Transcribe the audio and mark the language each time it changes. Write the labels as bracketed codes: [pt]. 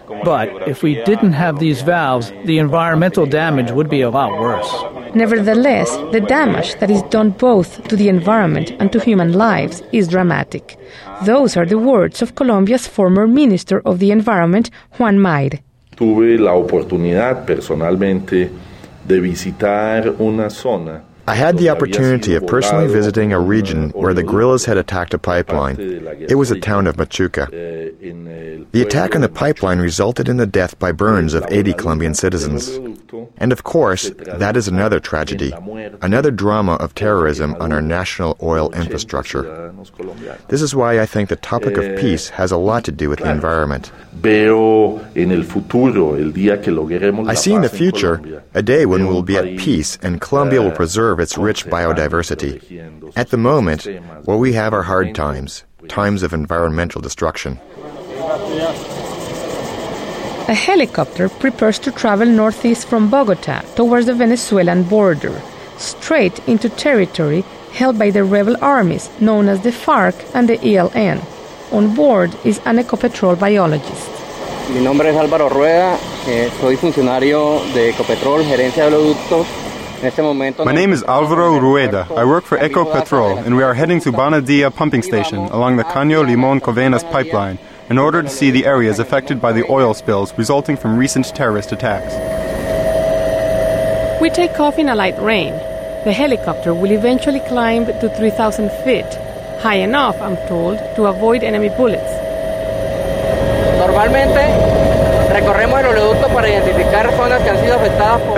[en] But if we didn't have these valves, the environmental damage would be a lot worse. Nevertheless, the damage that is done both to the environment and to human lives is dramatic. Those are the words of Colombia's former Minister of the Environment, Juan Maire. [es] Tuve la oportunidad personalmente de visitar una zona. [en] I had the opportunity of personally visiting a region where the guerrillas had attacked a pipeline. It was the town of Machuca. The attack on the pipeline resulted in the death by burns of 80 Colombian citizens. And of course, that is another tragedy, another drama of terrorism on our national oil infrastructure. This is why I think the topic of peace has a lot to do with the environment. I see in the future a day when we will be at peace and Colombia will preserve its rich biodiversity. At the moment, where we have our hard times, times of environmental destruction. A helicopter prepares to travel northeast from Bogota towards the Venezuelan border, straight into territory held by the rebel armies known as the FARC and the ELN. On board is an Ecopetrol biologist. [es] Mi nombre es Álvaro Rueda, soy funcionario de Ecopetrol, gerencia de oleoductos. [en] My name is Alvaro Rueda. I work for Ecopetrol, and we are heading to Bonadilla pumping station along the Caño Limón-Covenas pipeline in order to see the areas affected by the oil spills resulting from recent terrorist attacks. We take off in a light rain. The helicopter will eventually climb to 3,000 feet, high enough, I'm told, to avoid enemy bullets. [es] Normalmente, recorremos el oleoducto para identificar zonas que han sido afectadas por.